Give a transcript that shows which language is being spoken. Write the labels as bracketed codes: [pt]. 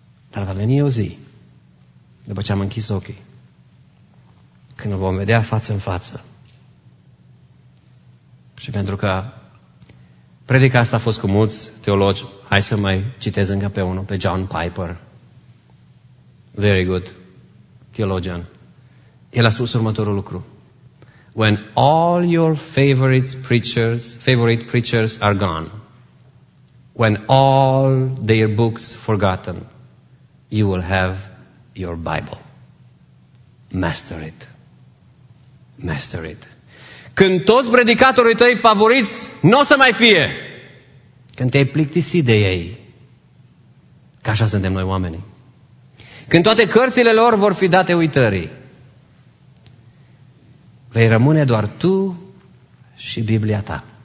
[ro] Dar va veni o zi, după ce am închis ochii, când îl vom vedea față în față. Și pentru că predica asta a fost cu mulți teologi, hai să mai citez încă pe unul, pe John Piper. [en] Very good theologian. [ro] El a spus următorul lucru. [en] When all your favorite preachers are gone, when all their books forgotten, you will have your Bible. Master it. [ro] Când toți predicatorii tăi favoriți n-o să mai fie, când te-ai plictisit de ei, că așa suntem noi oamenii, când toate cărțile lor vor fi date uitării, vei rămâne doar tu și Biblia ta.